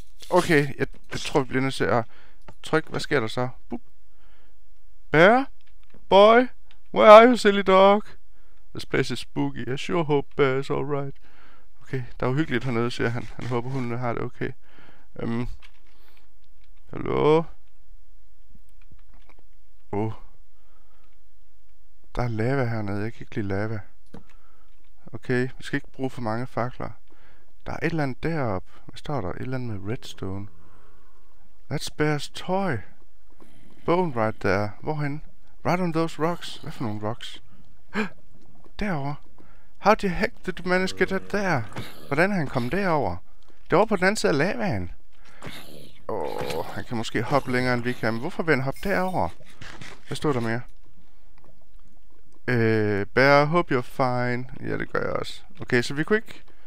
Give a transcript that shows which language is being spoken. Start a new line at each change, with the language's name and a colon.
Danish: Okay, jeg tror, vi bliver nødt til at... Tryk, hvad sker der så?
English: Boop. Bear? Boy? Where are you, silly dog? This place is spooky. I sure hope Bear is alright.
Danish: Okay, der er uhyggeligt hernede, siger han. Han håber, hunden har det okay. Hallo? Der er lava hernede. Jeg kan ikke lide lava. Okay, vi skal ikke bruge for mange fakler. Der er et eller andet deroppe. Hvad står der? Et eller andet med redstone.
English: That's Bear's toy. Bone right there.
Danish: Hvorhen?
English: Right on those rocks.
Danish: Hvad for nogle rocks? Derovre.
English: How the heck did you manage to get that there?
Danish: Hvordan er han kommet derover? Derovre på den anden side af lavaen. Han kan måske hoppe længere end vi kan. Men hvorfor vil han hoppe derover? Hvad står der mere?
English: Bear, hope you're fine.
Danish: Ja, det gør jeg også. Okay, så vi kunne ikke...